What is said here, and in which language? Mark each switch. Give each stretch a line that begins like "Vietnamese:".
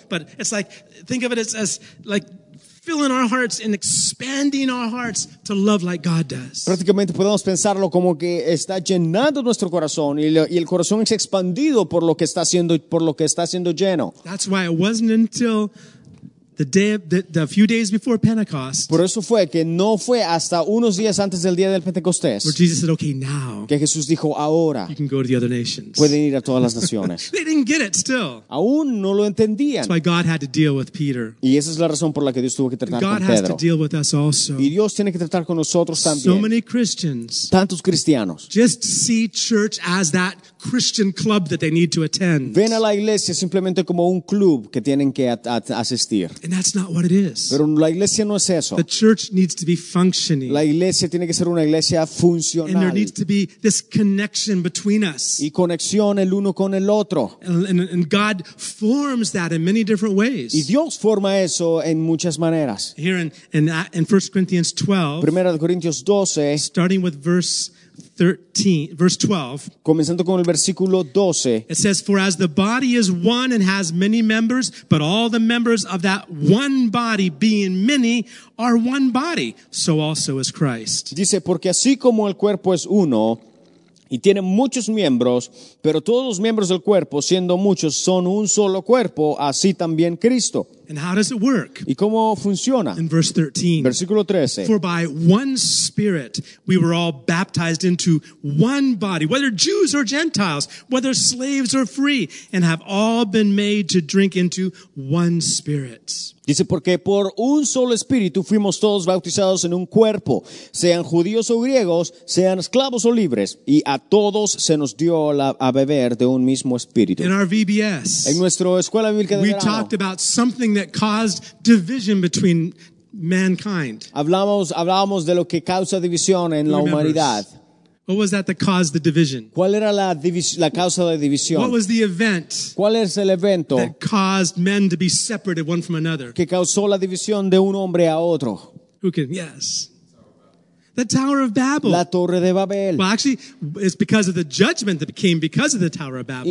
English: But it's like, think of it as like filling our hearts and expanding our hearts to love like God does.
Spanish: Prácticamente podemos pensarlo como que está llenando nuestro corazón y el corazón es expandido por lo que está siendo lleno.
English: That's why it wasn't until the few days before Pentecost.
Spanish: Por eso fue que no fue hasta unos días antes del día del Pentecostés.
English: Where Jesus said, "Okay, now."
Spanish: Que Jesús dijo, ahora.
English: You can go to the other nations.
Spanish: Pueden ir a todas las naciones.
English: They didn't get it still.
Spanish: Aún no lo entendían.
English: That's why God had to deal with Peter.
Spanish: Y esa es la razón por la que Dios tuvo que tratar con Pedro.
English: God has to deal with us also.
Spanish: Y Dios tiene que tratar con nosotros también.
English: So many Christians.
Spanish: Tantos cristianos.
English: Just see church as that Christian club that they need to attend.
Spanish: Ven a la iglesia simplemente como un club que tienen que asistir.
English: And that's not what it is.
Spanish: Pero la iglesia no es eso.
English: The church needs to be functioning.
Spanish: La iglesia tiene que ser una iglesia funcional.
English: And there needs to be this connection between us.
Spanish: Y conexión el uno con el otro.
English: And God forms that in many different ways.
Spanish: Y Dios forma eso en muchas maneras.
English: Here in 1 Corinthians 12.
Spanish: Primera de Corintios 12.
English: Starting with verse 12.
Spanish: Comenzando con el versículo 12.
English: It says, "For as the body is one and has many members, but all the members of that one body being many are one body, so also is Christ."
Spanish: Dice, porque así como el cuerpo es uno y tiene muchos miembros, pero todos los miembros del cuerpo, siendo muchos, son un solo cuerpo, así también Cristo.
English: And how does it work?
Spanish: ¿Y cómo funciona?
English: In verse 13.
Spanish: Versículo 13.
English: "For by one Spirit we were all baptized into one body, whether Jews or Gentiles, whether slaves or free, and have all been made to drink into one Spirit."
Spanish: Dice, porque por un solo espíritu fuimos todos bautizados en un cuerpo, sean judíos o griegos, sean esclavos o libres, y a todos se nos dio a beber de un mismo espíritu.
English: In our VBS,
Spanish: en nuestra escuela bíblica de
English: verano, we talked about something that caused division between mankind.
Spanish: Hablábamos de lo que causa división en la humanidad.
English: What was that that caused the division?
Spanish: ¿Cuál era la causa de la división?
English: What was the event?
Spanish: ¿Cuál es el evento
English: that caused men to be separated one from another?
Spanish: Que causó la división de un hombre a otro.
English: Who can? Yes. The Tower of Babel.
Spanish: La Torre de Babel.
English: Well, actually, it's because of the judgment that came because of the Tower of Babel.